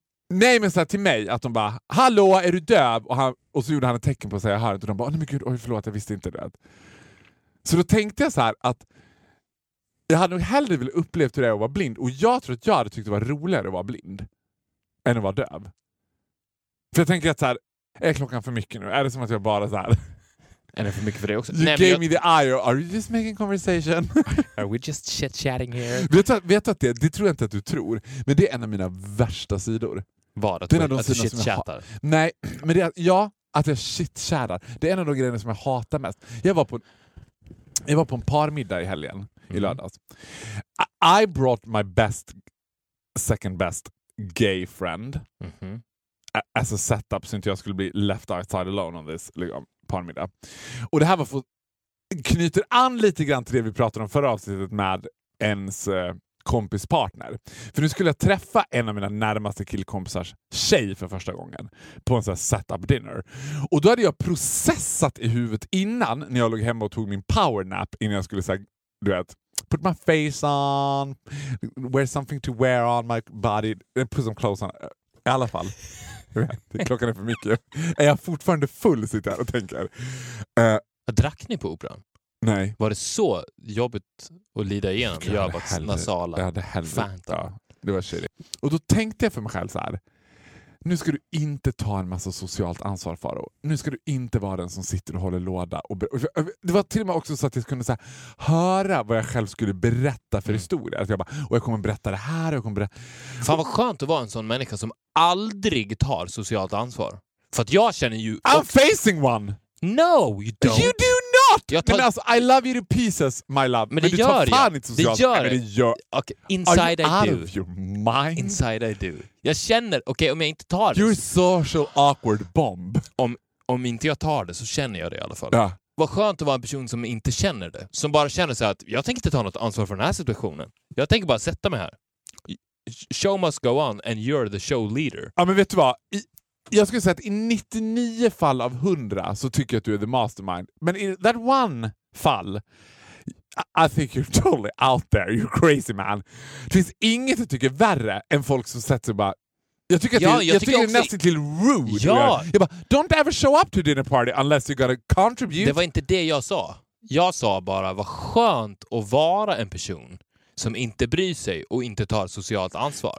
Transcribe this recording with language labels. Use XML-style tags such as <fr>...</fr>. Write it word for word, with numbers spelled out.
<sv>Nej, men så här till mig att de bara, hallå, är du döv? Och, han, och så gjorde han ett tecken på att säga här. Och de bara, nej men gud, oj förlåt, jag visste inte det. Så då tänkte jag så här att jag hade nog hellre velat uppleva hur det är att vara blind. Och jag tror att jag hade tyckt det var roligare att vara blind än att vara döv. För jag tänker att så här, är klockan för mycket nu? Är det som att jag bara så här... Är det för mycket för det också?</sv> <en>You</en> <sv>nej,</sv> <en>gave</en> <sv>jag...</sv> <en>me the eye, or are you just making conversation? Are we just chit-chatting here?</en> <sv>Vet du, vet du att det, det tror jag inte att du tror, men det är en av mina värsta sidor. Vad? Att, det är att du chitchattar? Nej, men det är, ja, att jag chitchattar. Det är en av de grejerna som jag hatar mest. Jag var på, jag var på en parmiddag i helgen, mm. i lördags.</sv> <en>I, I brought my best, second best gay friend. Mm-hmm. As a setup</en> <sv>så inte jag skulle bli</sv> <en>left outside alone on this</en> <sv>liksom, parmiddag. Och det här var för, knyter an lite grann till det vi pratade om förra avsnittet med ens... Eh, kompispartner. För nu skulle jag träffa en av mina närmaste killkompisars tjej för första gången på en sån här</sv> <en>setup dinner.</en> <sv>Och då hade jag processat i huvudet innan när jag låg hemma och tog min powernap innan jag skulle säga, du vet,</sv> <en>put my face on, wear something to wear on my body, put some clothes on.</en> <sv>I alla fall. Klockan är för mycket. Är jag fortfarande full, sitter här och tänker. Uh, Drack ni på operan? Nej. Var det så jobbigt att lida igenom? Jag, jag var nasala. Jag hade helvete. Ja, det var shitty. Och då tänkte jag för mig själv så här. Nu ska du inte ta en massa socialt ansvar, Faro. Nu ska du inte vara den som sitter och håller låda. Och ber- det var till och med också så att jag kunde så här, höra vad jag själv skulle berätta för historia. Att jag bara, och jag kommer berätta det här. Och jag kommer berätta... Fan vad skönt att vara en sån människa som aldrig tar socialt ansvar. För att jag känner ju...</sv> <en>I'm facing one! No, you don't! You do not!</en> <sv>Jag tar... Men alltså,</sv> <en>I love you to pieces, my love.</en> <sv>Men, men det gör jag. Det gör jag. Gör...</sv> <en>Okay, inside I do. Are you out of your mind? Inside I do.</en> <sv>Jag känner, okej, okay, om jag inte tar det...</sv> <en>You're social awkward bomb.</en> <sv>Om, om inte jag tar det så känner jag det i alla fall. Ja. Vad skönt att vara en person som inte känner det. Som bara känner så här att jag tänker inte ta något ansvar för den här situationen. Jag tänker bara sätta mig här.</sv> <en>Show must go on and you're the show leader.</en> <sv>Ja, men vet du vad... I... Jag skulle säga att i nittionio fall av hundra så tycker jag att du är</sv> <en>the mastermind.</en> <sv>Men i</sv> <en>that one fall, I think you're totally out there. You're crazy, man.</en> <sv>Det finns inget jag tycker värre än folk som sätter sig bara... Jag tycker att ja, det, jag jag tycker också... det är nästan till rude. Ja. Jag bara,</sv> <en>don't ever show up to dinner party unless you gotta contribute.</en> <sv>Det var inte det jag sa. Jag sa bara, vad skönt att vara en person som inte bryr sig och inte tar socialt ansvar.</sv>